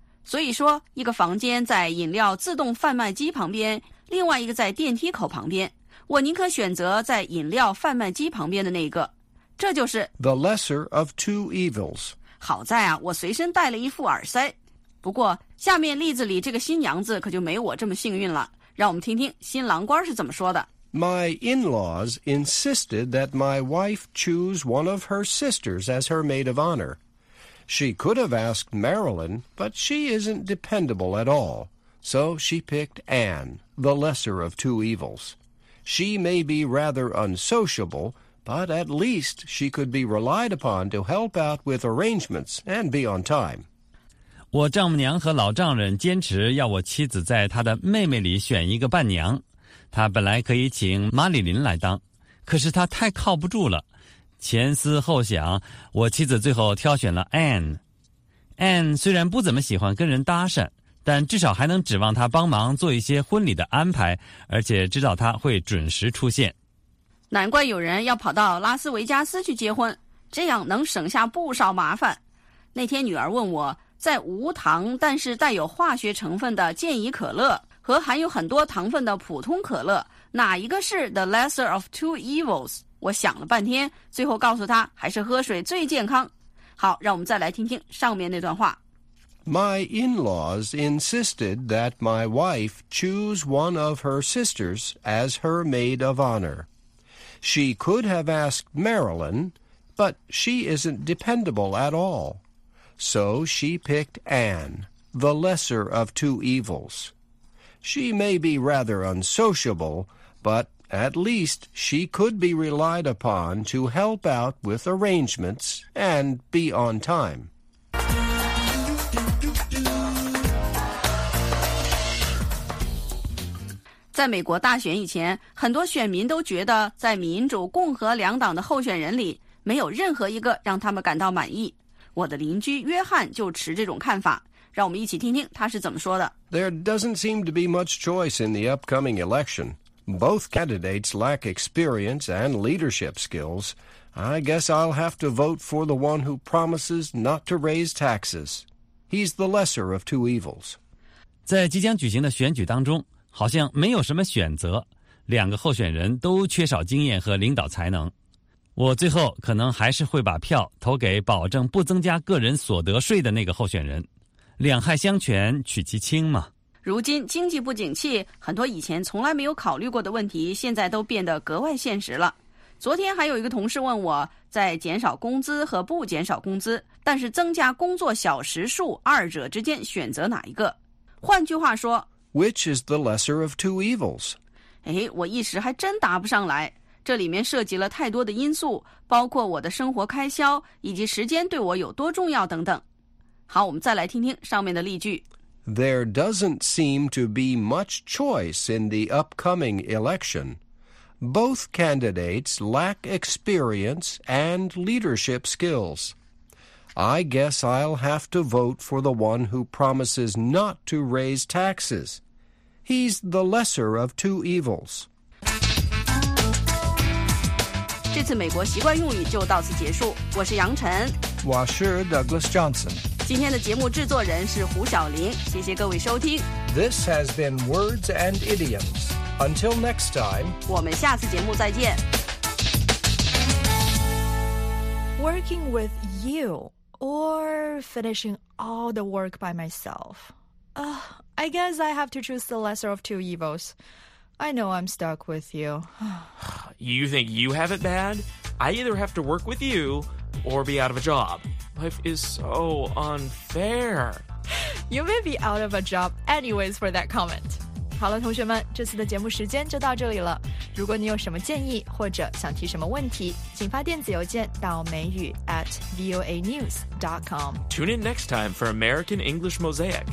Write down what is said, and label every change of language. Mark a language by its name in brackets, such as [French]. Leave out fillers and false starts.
[Chinese] 所以说一个房间在饮料自动贩卖机旁边，另外一个在电梯口旁边。我宁可选择在饮料贩卖机旁边的那个。这就是 [English] The lesser of two evils. [Chinese] 好在啊，我随身带了一副耳塞。不过下面例子里这个新娘子可就没我这么幸运了。让我们听听新郎官是怎么说的。 [English] My in-laws insisted that my wife choose one of her sisters as her maid of honor. She could have asked Marilyn, but she isn't dependable at all. So she picked Anne, the lesser of two evils. She may be rather unsociable, but at least she could be relied upon to help out with arrangements and be on time. [Chinese] 我丈母娘和老丈人坚持要我妻子在她的妹妹里选一个伴娘，她本来可以请马里琳来当，可是她太靠不住了。前思后想，我妻子最后挑选了 Anne。 Anne 虽然不怎么喜欢跟人搭讪，但至少还能指望她帮忙做一些婚礼的安排，而且知道她会准时出现。难怪有人要跑到拉斯维加斯去结婚，这样能省下不少麻烦。那天女儿问我，在无糖但是带有化学成分的健怡可乐和含有很多糖分的普通可乐，哪一个是 [English] the lesser of two evils? [Chinese] 我想了半天，最后告诉他还是喝水最健康。好，让我们再来听听上面那段话。 [English] My in-laws insisted that my wife choose one of her sisters as her maid of honor. She could have asked Marilyn, but she isn't dependable at all. So she picked Anne, the lesser of two evils. She may be rather unsociable, but at least she could be relied upon to help out with arrangements and be on time. [Chinese] 在美国大选以前，很多选民都觉得在民主共和两党的候选人里没有任何一个让他们感到满意。我的邻居约翰就持这种看法，让我们一起听听他是怎么说的。 [English] There doesn't seem to be much choice in the upcoming election. Both candidates lack experience and leadership skills. I guess I'll have to vote for the one who promises not to raise taxes. He's the lesser of two evils. [Chinese] 在即将举行的选举当中，好像没有什么选择，两个候选人都缺少经验和领导才能。我最后可能还是会把票投给保证不增加个人所得税的那个候选人。两害相权取其轻嘛。如今经济不景气，很多以前从来没有考虑过的问题现在都变得格外现实了。昨天还有一个同事问我，在减少工资和不减少工资，但是增加工作小时数，二者之间选择哪一个？换句话说 [English] Which is the lesser of two evils? [Chinese] 哎，我一时还真答不上来。这里面涉及了太多的因素，包括我的生活开销以及时间对我有多重要等等。好，我们再来听听上面的例句。 [English] There doesn't seem to be much choice in the upcoming election. Both candidates lack experience and leadership skills. I guess I'll have to vote for the one who promises not to raise taxes. He's the lesser of two evils. [Chinese] 这次美国习惯用语就到此结束，我是杨晨，我是 Douglas Johnson，今天的节目制作人是胡晓玲，谢谢各位收听。 [English] This has been Words and Idioms. Until next time， [Chinese] 我们下次节目再见。 [English] Working with you or finishing all the work by myself? I guess I have to choose the lesser of two evils. I know I'm stuck with you. You think you have it bad? I either have to work with you or be out of a job. Life is so unfair. You may be out of a job anyways for that comment. [Chinese] 好了，同学们，这次的节目时间就到这里了。如果你有什么建议或者想提什么问题，请发电子邮件到美语@voanews.com. [English] Tune in next time for American English Mosaic.